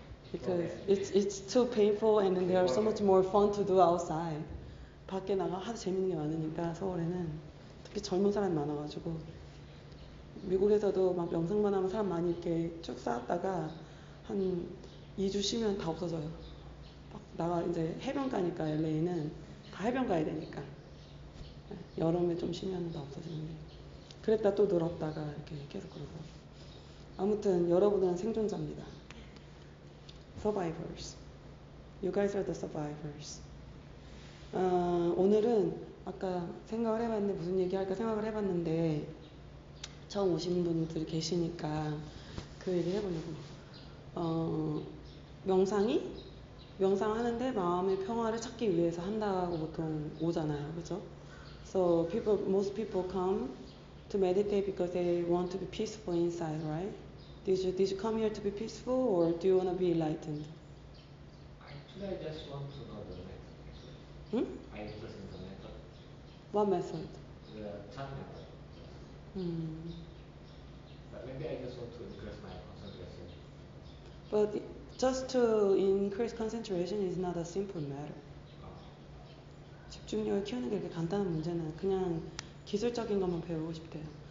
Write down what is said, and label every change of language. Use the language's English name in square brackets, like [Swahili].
[English] Because it's too painful and there are so much more fun to do outside. [Korean] 밖에 나가 하도 재밌는 게 많으니까 서울에는 특히 젊은 사람이 많아가지고 미국에서도 막 명상만 하면 사람 많이 이렇게 쭉 쌓았다가 한 2주 쉬면 다 없어져요. 막 나가 이제 해변가니까 LA는 다 해변 가야 되니까 여름에 좀 쉬면 다 없어지는데 그랬다 또 늘었다가 이렇게 계속 그러고 아무튼 여러분은 생존자입니다. [English] Survivors. You guys are the survivors. [Korean] 오늘은 아까 생각을 해봤는데 무슨 얘기할까 생각을 해봤는데 처음 오신 분들이 계시니까 그 얘기를 해보려고. 명상이? 명상하는데 마음의 평화를 찾기 위해서 한다고 보통 오잖아요. 그죠? [English] So people, most people come to meditate because they want to be peaceful inside, right? Did you come here to be peaceful or do you want to be enlightened? Actually, I just want to know the method. Hmm? I just want the method. What method? The chant method. But maybe I just want to increase my concentration. But just to increase concentration is not a simple matter. [Korean] 집중력을 키우는 게 이렇게 간단한 문제는 그냥 기술적인 것만 배우고 싶대요.